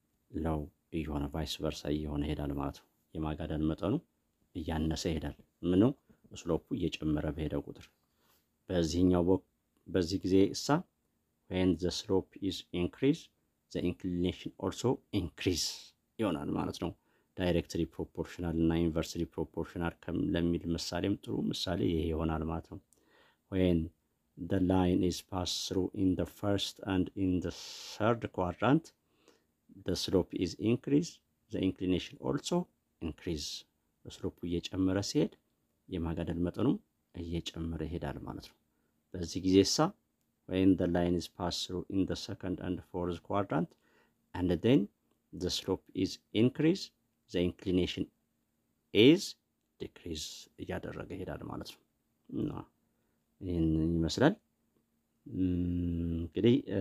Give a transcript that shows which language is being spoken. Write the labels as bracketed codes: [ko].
[am] low ይሆነ ቫይስ ቨርሳ ይሆነ ይሄዳል ማለት ነው። የማጋደል መጠኑ ያነሰ ይሄዳል። ምን ነው ስሎፑ እየጨመረ በሄደ ቁጥር በዚህኛው በዚህ ጊዜ እሳ [en] when the slope is increase the inclination also increase [am] ይሆናል ማለት ነው። ዳይሬክትሊ ፕሮፖርሽናል እና ኢንቨርስሊ ፕሮፖርሽናል ለሚል ምሳሌም ጥሩ ምሳሌ ይሄ ይሆናል ማለት ነው። [en] when the line is passed through in the first and in the third quadrant, the slope is increased, the inclination also increase. The slope is increased. [am] የማጋደል መጠኑም እየጨመረ ይሄዳል ማለት ነው። በዚህ ጊዜሳ [en] when the line is passed through in the second and fourth quadrant and then the slope is increase, the inclination is decrease [am] እያደረገ ይሄዳል ማለት ነው። እና ይሄን ይመስላል እንግዲህ